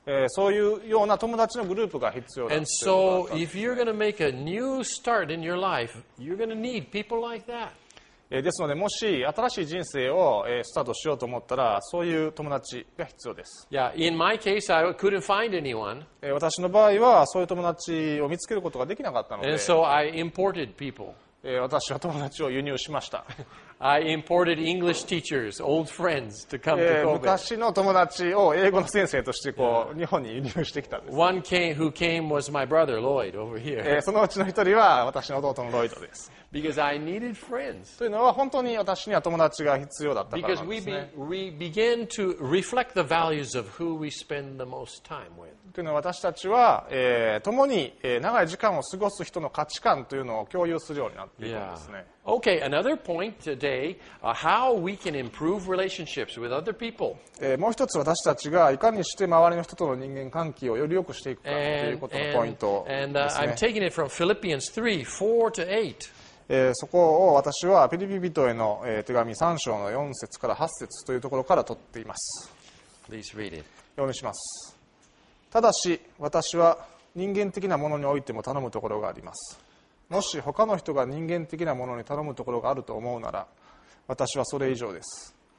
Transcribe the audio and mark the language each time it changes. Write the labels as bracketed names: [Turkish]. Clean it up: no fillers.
[Japanese] そういうような友達のグループが必要だ。 [English] And so, if you're going to make a new start in your life, you're going to need people like that. [Japanese] ですので、もし新しい人生をスタートしようと思ったら、そういう友達が必要です。 [English] Yeah, in my case, I couldn't find anyone. [Japanese] 私の場合は、そういう友達を見つけることができなかったので。 [English] And so, I imported people. [Japanese] 私は友達を輸入しました。 [English] I imported English teachers, old friends, to come to Kobe. [Japanese] 昔の友達を英語の先生としてこう、yeah. 日本に輸入してきたんです。 [English] One came, who came was my brother, Lloyd, over here. [Japanese] そのうちの一人は私の弟のロイドです。 [English] Because I needed friends. [Japanese] というのは本当に私には友達が必要だったからですね。 [English] Because we began to reflect the values of who we spend the most time with. [Japanese] というのは私たちは、共に、長い時間を過ごす人の価値観というのを共有するようになっていたんですね。 [English] Yeah. Okay, another point today, how we can improve relationships with other people. [Japanese] もう一つ私たちがいかにして周りの人との人間関係をより良くしていくかということのポイントですね。 [English] And I'm taking it from Philippians 3, 4 to 8. [Japanese] そこを私はピリピ人への手紙3章の4節から8節というところから取っています。 [English] Please read it. [Japanese] 読みします。ただし私は人間的なものにおいても頼むところがあります。もし他の人が人間的なものに頼むところがあると思うなら私はそれ以上です。